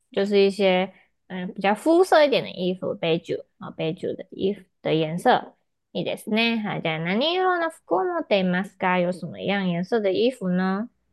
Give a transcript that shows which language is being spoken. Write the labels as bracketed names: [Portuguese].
[Chinese] 就是一些比较肤色一点的衣服，ベージュ。ベージュ的衣服的颜色。 [Japanese] いいですね。はい、じゃあ、何色の服を持っていますか？ [Chinese] 有什么样颜色的衣服呢？